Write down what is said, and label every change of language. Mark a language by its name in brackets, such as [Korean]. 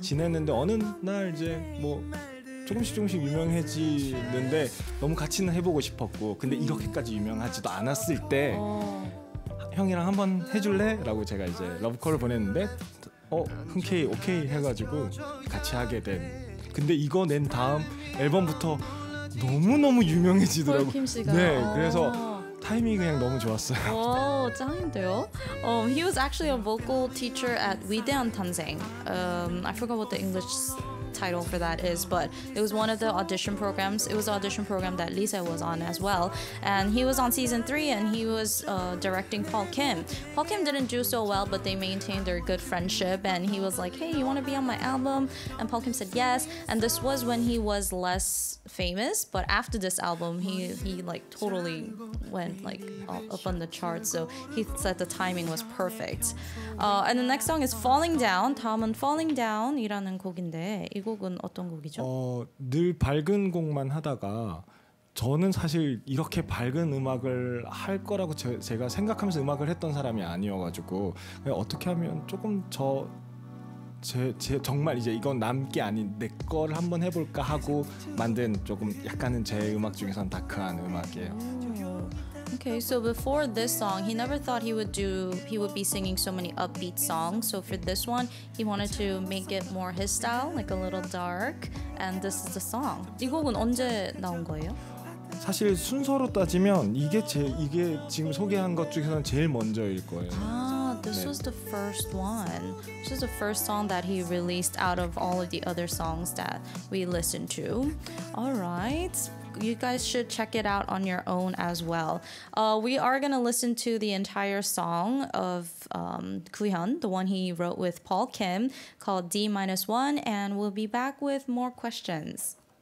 [Korean] 지냈는데 어느 날 이제 뭐 조금씩 유명해지는데 너무 같이는 해보고 싶었고 근데 이렇게까지 유명하지도 않았을 때. 형이랑 한번 해줄래? 라고 제가 이제 러브콜을 보냈는데 흔쾌히 오케이 해가지고 같이 하게 된. 근데 이거 낸 다음 앨범부터 너무너무 유명해지더라고. 폴킴씨가. 네, 그래서 타이밍이 그냥 너무 좋았어요. 와, 짱인데요. [English] He was actually a vocal teacher at 위대한 탄생. I forgot what the English title for that is, but it was one of the audition programs. It was an audition program that Lisa was on as well. And he was on season 3 and he was directing Paul Kim. Paul Kim didn't do so well, but they maintained their good friendship. And he was like, hey, you want to be on my album? And Paul Kim said yes. And this was when he was less famous, but after this album he like totally went like up on the charts, so he said the timing was perfect. And the next song is Falling Down. [Korean] 다음은 Falling Down이라는 곡인데 이 곡은 어떤 곡이죠? 늘 밝은 곡만 하다가 저는 사실 이렇게 밝은 음악을 할 거라고 제가 생각하면서 음악을 했던 사람이 아니어가지고 어떻게 하면 조금 저 제 정말 이제 이건 남게 아닌 내 걸 한번 해볼까 하고 만든 조금 약간은 제 음악 중에서는 다크한 음악이에요. [English] Okay, so before this song, he never thought he would be singing so many upbeat songs. So for this one, he wanted to make it more his style, like a little dark. And this is the song. [Korean] 이 곡은 언제 나온 거예요? 사실 순서로 따지면 이게 지금 소개한 것 중에서는 제일 먼저일 거예요. [English] This was the first one. This is the first song that he released out of all of the other songs that we listened to. All right. You guys should check it out on your own as well. We are going to listen to the entire song of Kuhyun, the one he wrote with Paul Kim, called D-1, and we'll be back with more questions.